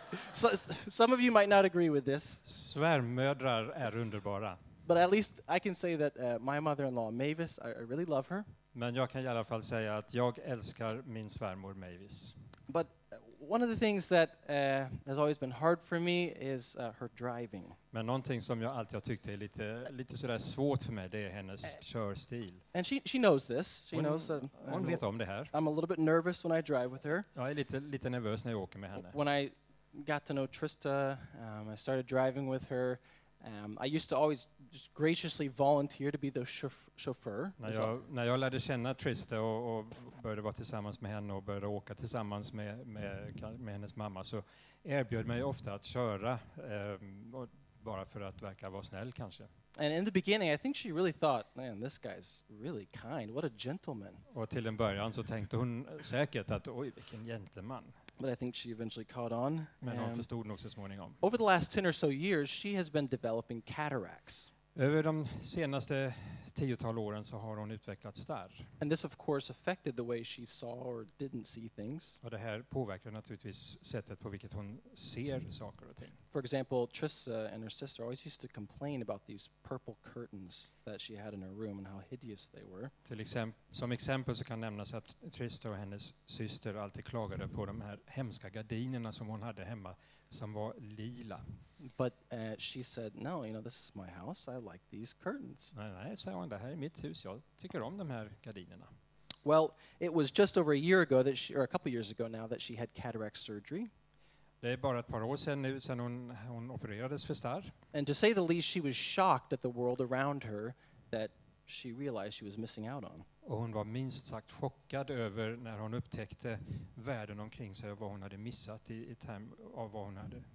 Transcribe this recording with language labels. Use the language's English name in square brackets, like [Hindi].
[English] Some of you might not agree with this. [Swedish] Svärmödrar är underbara. [English] But at least I can say that my mother-in-law Mavis, I really love her. [Swedish] Men jag kan i alla fall säga att jag älskar min svärmor Mavis. [English] But one of the things that has always been hard for me is her driving. [Swedish] Men någonting som jag alltid har tyckt är lite så där svårt för mig, det är hennes körstil. [English] And she knows this. Hon [Swedish] vet om det här. [English] I'm a little bit nervous when I drive with her. [Swedish] Jag är lite nervös när jag åker med henne. [English] When I got to know Trista, I started driving with her. I used to always just graciously volunteer to be the chauffeur. [Swedish] När jag lärde känna Trista och började vara tillsammans med henne och började åka tillsammans med hennes mamma, så erbjöd mig ofta att köra bara för att verka vara snäll kanske. [English] And in the beginning I think she really thought, man, this guy's really kind. What a gentleman. [Swedish] Och till en början så tänkte hon säkert att oj, vilken gentleman. [English] But I think she eventually caught on. [Swedish] Men hon förstod nog så småningom. [English] Over the last 10 or so years she has been developing cataracts. [Swedish] Över de senaste 10-tal åren så har hon utvecklat starr. [English] And this of course affected the way she saw or didn't see things. [Swedish] Och det här påverkar naturligtvis sättet på vilket hon ser saker och ting. [English] For example, Trissa and her sister always used to complain about these purple curtains that she had in her room and how hideous they were. [Swedish] Som exempel så kan nämnas att Trissa och hennes syster alltid klagade på de här hemska gardinerna som hon hade hemma, som var lila. [English] But she said, no, you know, this is my house. I like these curtains. [Swedish] Nej, sa hon, det här är mitt hus. Jag tycker om de här gardinerna. [English] Well, it was just over a year ago that she, or a couple years ago now, that she had cataract surgery. [Swedish] Det är bara ett par år sedan nu sedan hon opererades för starr. [English] And to say the least, she was shocked at the world around her that she realized she was missing out on. [Swedish] Och hon var minst sagt chockad över när hon upptäckte världen omkring sig och vad hon hade missat i term av vad hon hade sett.